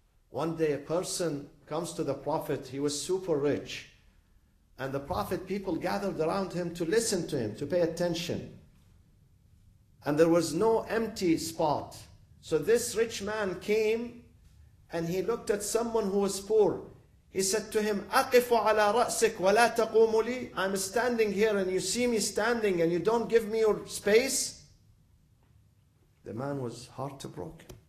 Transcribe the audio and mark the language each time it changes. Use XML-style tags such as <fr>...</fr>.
<en>One day a person comes to the Prophet. He was super rich. And the Prophet, people gathered around him to listen to him, to pay attention. And there was no empty spot. So this rich man came and he looked at someone who was poor. He said to him,</en> <ar>أَقِفُ عَلَىٰ رَأْسِكْ وَلَا تَقُومُ لِي.</ar> <en>I'm standing here and you see me standing and you don't give me your space. The man was heartbroken.</en>